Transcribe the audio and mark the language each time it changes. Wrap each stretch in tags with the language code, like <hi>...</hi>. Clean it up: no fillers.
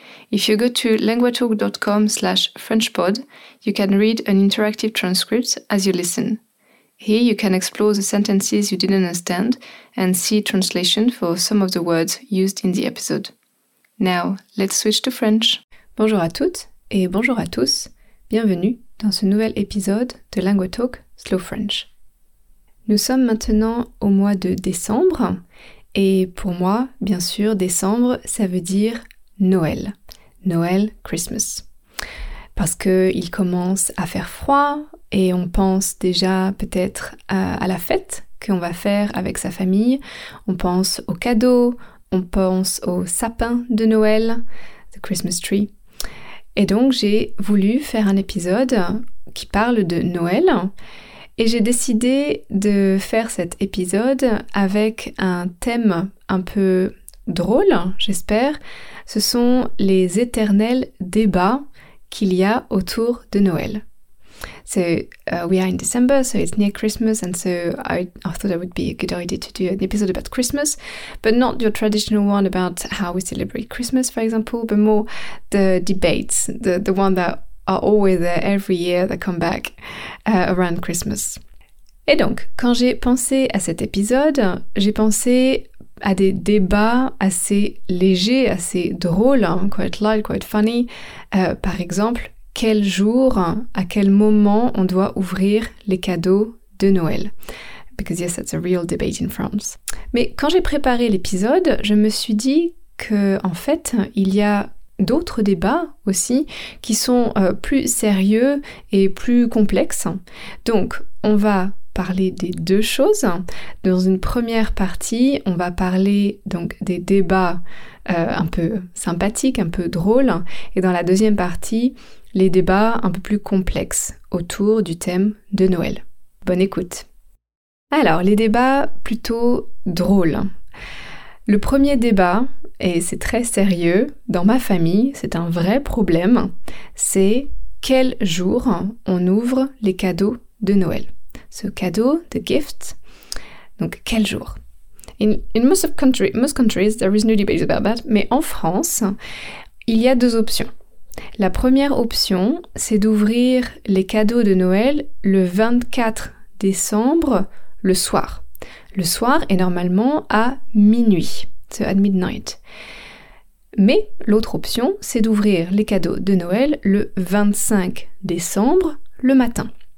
<en>If you go to languagetalk.com/frenchpod, you can read an interactive transcript as you listen. Here you can explore the sentences you didn't understand and see translation for some of the words used in the episode. Now, let's switch to French.</en> <fr>Bonjour à toutes et bonjour à tous. Bienvenue dans ce nouvel épisode de Langue Talk Slow French. Nous sommes maintenant au mois de décembre, et pour moi, bien sûr, décembre, ça veut dire Noël. Noël, Christmas. Parce qu'il commence à faire froid, et on pense déjà peut-être à la fête qu'on va faire avec sa famille. On pense aux cadeaux, on pense aux sapins de Noël,</fr> <en>the Christmas tree.</en> <fr>Et donc j'ai voulu faire un épisode qui parle de Noël et j'ai décidé de faire cet épisode avec un thème un peu drôle, j'espère. Ce sont les éternels débats qu'il y a autour de Noël.</fr> <en>So, we are in December, so it's near Christmas, and so I thought it would be a good idea to do an episode about Christmas, but not your traditional one about how we celebrate Christmas, for example, but more the debates, the one that are always there every year that come back around Christmas.</en> <fr>Et donc, quand j'ai pensé à cet épisode, j'ai pensé à des débats assez légers, assez drôles, hein,</fr> <en>quite light, quite funny,</en> <fr>par exemple, quel jour, à quel moment on doit ouvrir les cadeaux de Noël.</fr> <en>Because yes, that's a real debate in France.</en> <fr>Mais quand j'ai préparé l'épisode, je me suis dit qu'en fait, il y a d'autres débats aussi qui sont plus sérieux et plus complexes. Donc, on va parler des deux choses. Dans une première partie, on va parler donc des débats un peu sympathiques, un peu drôles. Et dans la deuxième partie, les débats un peu plus complexes autour du thème de Noël. Bonne écoute. Alors, les débats plutôt drôles. Le premier débat, et c'est très sérieux, dans ma famille, c'est un vrai problème, c'est quel jour on ouvre les cadeaux de Noël. Ce cadeau,</fr> <en>the gift,</en> <fr>donc quel jour?</fr> <en>In most countries, there is no debate about that,</en> <fr>mais en France, il y a deux options. La première option, c'est d'ouvrir les cadeaux de Noël le 24 décembre, le soir. Le soir est normalement à minuit,</fr> <en>so at midnight.</en> <fr>Mais l'autre option, c'est d'ouvrir les cadeaux de Noël le 25 décembre, le matin.</fr>